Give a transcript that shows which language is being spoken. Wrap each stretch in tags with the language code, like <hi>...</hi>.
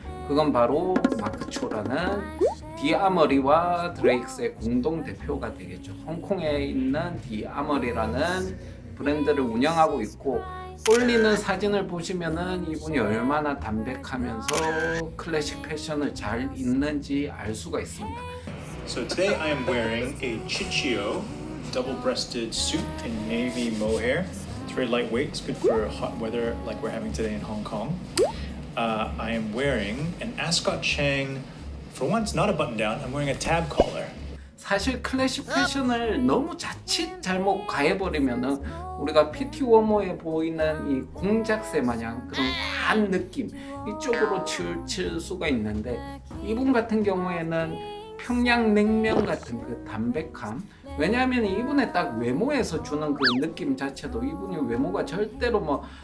<ko>그건 바로 마크 초라는 디아머리와 드레이크스의 공동 대표가 되겠죠. 홍콩에 있는 디아머리라는 브랜드를 운영하고 있고, 올리는 사진을 보시면은 이분이 얼마나 담백하면서 클래식 패션을 잘 입는지 알 수가 있습니다.</ko> <en>So today I am wearing a Chichio double-breasted suit in navy mohair. It's very lightweight. It's good for hot weather like we're having today in Hong Kong. I am wearing an Ascot Chang. For once, not a button-down. I'm wearing a tab collar.</en> <ko>사실 클래식 패션을 너무 자칫 잘못 가해버리면은 우리가 피티 워머에 보이는 이 공작새 마냥 그런 과한 느낌 이쪽으로 치우칠 수가 있는데, 이분 같은 경우에는 평양 냉면 같은 그 담백함, 왜냐하면 이분의 딱 외모에서 주는 그 느낌 자체도 이분이 외모가 절대로 뭐</ko>